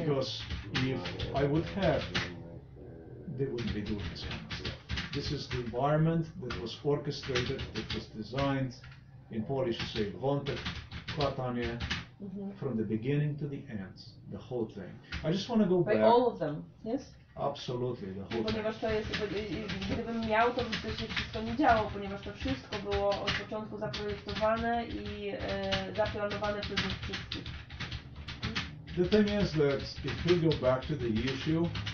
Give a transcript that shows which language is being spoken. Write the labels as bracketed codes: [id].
[en] Because if I would have, they wouldn't be doing this kind of stuff. This is the environment that was orchestrated, that was designed, in Polish you say, [pl] wątek, kłatanie, [en] from the beginning to the end, the whole thing. I just want to go by back. By all of them, yes? [pl] Absolutnie. Ponieważ to jest, gdybym miał, to by to się wszystko nie działo, ponieważ to wszystko było od początku zaprojektowane i zaplanowane przez nich wszystkich. [en] The thing is that if we go back to the issue.